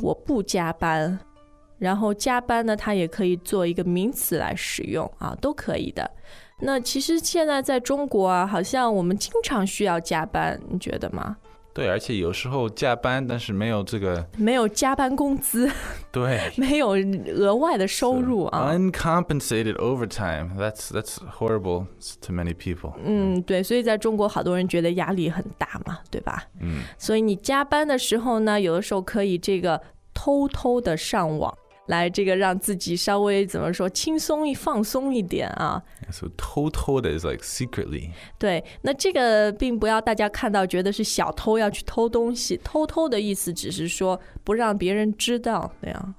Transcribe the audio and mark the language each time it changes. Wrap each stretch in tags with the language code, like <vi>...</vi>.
<zh>我不加班。然后加班呢，它也可以做一个名词来使用啊，都可以的。那其实现在在中国啊，好像我们经常需要加班，你觉得吗？对，而且有时候加班，但是没有这个，没有加班工资，对，没有额外的收入啊。</zh> <en>So, uncompensated overtime, that's horrible to many people.</en> <zh>对，所以在中国好多人觉得压力很大嘛，对吧？所以你加班的时候呢，有的时候可以这个偷偷的上网，来这个让自己稍微怎么说轻松一放松一点啊。</zh> <en>So 偷偷的 is like secretly。</en> <zh>对，那这个并不要大家看到觉得是小偷要去偷东西，偷偷的意思只是说不让别人知道那样。</zh>